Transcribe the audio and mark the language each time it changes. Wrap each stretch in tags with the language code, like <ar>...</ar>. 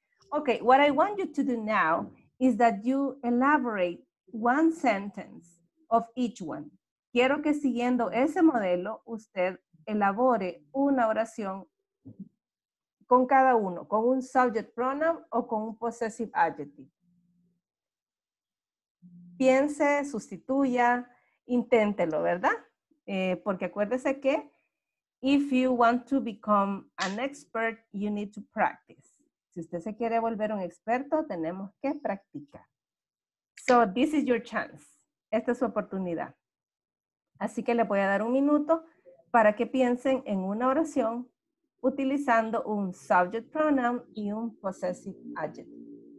<en>Ok, what I want you to do now is that you elaborate one sentence of each one.</en> <es>Quiero que siguiendo ese modelo, usted elabore una oración con cada uno, con un subject pronoun o con un possessive adjective. Piense, sustituya, inténtelo, ¿verdad? Porque acuérdese que</es> <en>if you want to become an expert, you need to practice.</en> <es>Si usted se quiere volver un experto, tenemos que practicar.</es> <en>So this is your chance.</en> <es>Esta es su oportunidad. Así que le voy a dar un minuto para que piensen en una oración utilizando un subject pronoun y un possessive adjective.</es>